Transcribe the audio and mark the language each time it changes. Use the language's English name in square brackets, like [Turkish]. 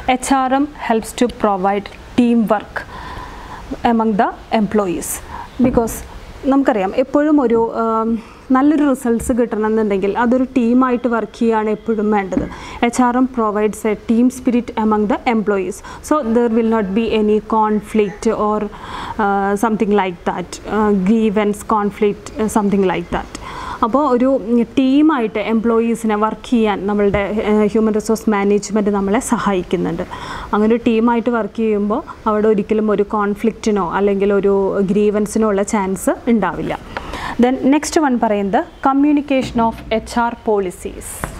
[English] HRM helps to provide teamwork among the employees. [Malayalam] Because നമുക്കറിയാം എപ്പോഴും ഒരു നല്ലൊരു റിസൾട്ട്സ് കിട്ടണമെന്നുണ്ടെങ്കിൽ അതൊരു ടീമായിട്ട് വർക്ക് ചെയ്യുകയാണ് എപ്പോഴും വേണ്ടത്. [English] HRM provides a team spirit among the employees. So there will not be any conflict or something like that. Grievance, conflict, something like that. [Malayalam] അപ്പോൾ ഒരു ടീമായിട്ട് എംപ്ലോയീസിനെ വർക്ക് ചെയ്യാൻ നമ്മളുടെ ഹ്യൂമൻ റിസോഴ്സ് മാനേജ്മെൻറ്റ് നമ്മളെ സഹായിക്കുന്നുണ്ട്. അങ്ങനെ ഒരു ടീമായിട്ട് വർക്ക് ചെയ്യുമ്പോൾ അവിടെ ഒരിക്കലും ഒരു കോൺഫ്ലിക്റ്റിനോ അല്ലെങ്കിൽ ഒരു ഗ്രീവൻസിനോ ഉള്ള ചാൻസ് ഉണ്ടാവില്ല. [English] then next one [Malayalam] പറയുന്നത് [English] Communication of HR policies.